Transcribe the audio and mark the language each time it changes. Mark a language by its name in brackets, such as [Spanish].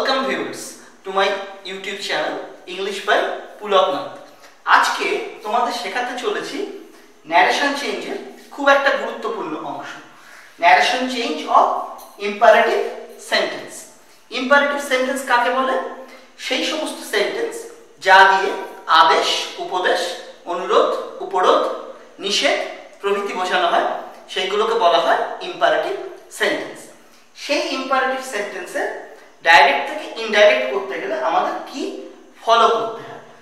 [English] viewers to my YouTube channel English by Pulapnath. [Bangla] আজকে তোমাদের শেখাতে চলেছি narration change খুব একটা গুরুত্বপূর্ণ অংশ. [English] Narration change of imperative sentence. [Bangla] Imperative sentence কাকে বলে? সেই সমস্ত sentence যা দিয়ে আদেশ, উপদেশ, অনুরোধ, উপরোধ, নিষেধ প্রভৃতি বোঝানো হয় সেইগুলোকে বলা হয় imperative sentence. সেই imperative sentence ডাইরেক্ট থেকে ইনডাইরেক্ট করতে গেলে আমাদের কি ফলো করতে হয়?